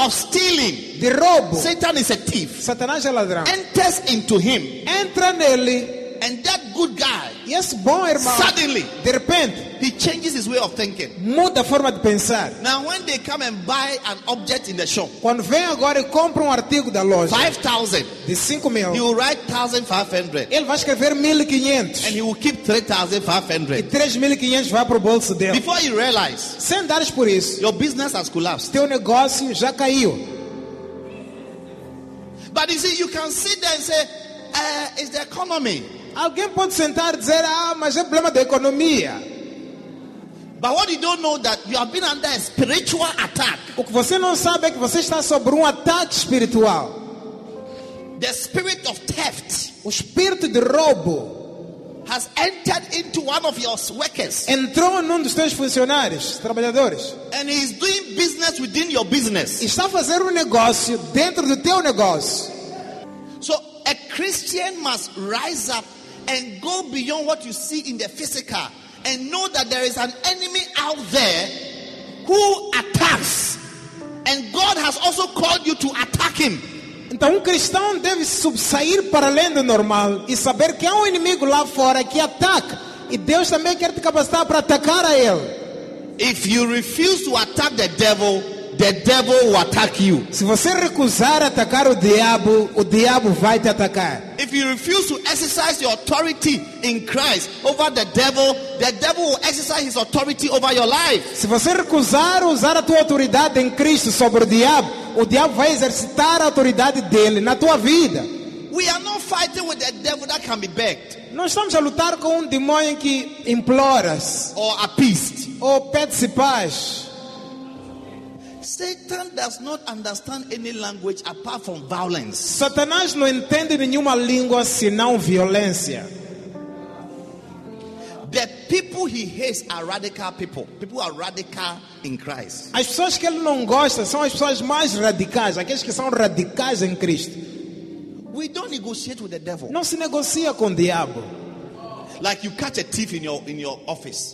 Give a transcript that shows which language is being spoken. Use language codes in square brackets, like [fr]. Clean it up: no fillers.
[en] Of stealing. [pt] De roubo. [en] Satan is a thief. [pt] Satanás é ladrão. [en] Enters into him. [pt] Entra nele. [en] And that good guy. Yes, [pt] bom irmão. [en] Suddenly. [pt] De repente. [en] He changes his way of thinking. [pt] Muda a forma de pensar. [en] Now when they come and buy an object in the shop. [pt] Quando vem agora e compra artigo da loja. [en] 5,000. [pt] De 5,000. [en] He will write 1,500. [pt] Ele vai escrever 1,500. [en] And he will keep 3,500. [pt] E 3,500 vai pro bolso dele. [en] Before you realize. [pt] Sem dares por isso. [en] Your business has collapsed. [pt] Teu negócio já caiu. [en] But you see, you can sit there and say, it's the economy. [pt] Alguém pode sentar e dizer, mas é problema da economia. [en] But what you don't know that you have been under a spiritual attack. [pt] O que você não sabe é que você está sob ataque espiritual. [en] The spirit of theft. [pt] O espírito de roubo [en] has entered into one of your workers. [pt] Entrou num dos teus funcionários, trabalhadores. [en] And he is doing business within your business. [pt] E está fazendo negócio dentro do teu negócio. [en] So a Christian must rise up and go beyond what you see in the physical. And know that there is an enemy out there who attacks. And God has also called you to attack him. [pt] Então um cristão deve subsair para além do normal e saber que há um inimigo lá fora que ataca. E Deus também quer te capacitar para atacar a ele. [en] If you refuse to attack the devil will attack you. [pt] Se você recusar atacar o diabo vai te atacar. [en] If you refuse to exercise your authority in Christ over the devil will exercise his authority over your life. [pt] Se você recusar usar a tua autoridade em Cristo sobre o diabo vai exercitar a autoridade dele na tua vida. [en] We are not fighting with the devil that can be begged. [pt] Nós estamos a lutar com demônio que imploras. [en] Or appeased. [pt] Ou pede-se paz. [en] Satan does not understand any language apart from violence. [pt] Satanás não entende nenhuma língua senão violência. [en] The people he hates are radical people. People are radical in Christ. [pt] As pessoas que ele não gosta são as pessoas mais radicais, aqueles que são radicais em Cristo. [en] We don't negotiate with the devil. [pt] Não se negocia com o diabo. [en] Like you catch a thief in your office.